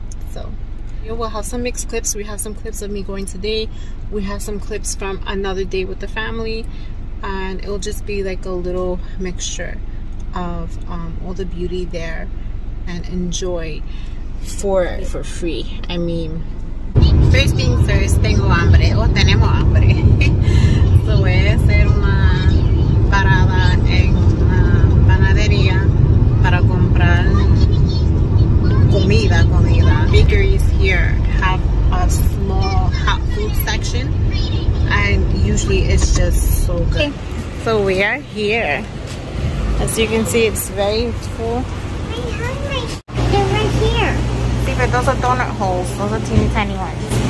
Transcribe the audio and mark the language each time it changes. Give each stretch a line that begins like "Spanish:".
English: So, you know, we'll have some mixed clips. We have some clips of me going today. We have some clips from another day with the family. And it'll just be like a little mixture of all the beauty there and enjoy for free. I mean, first things first,
Spanish: tengo hambre, o tenemos hambre. So voy a hacer una parada en una panadería para comprar comida.
English: Bakeries here have a small hot food section, and usually it's just so good. Okay. So we are here. As you can see, it's very full. Those are donut holes. Those are teeny tiny ones.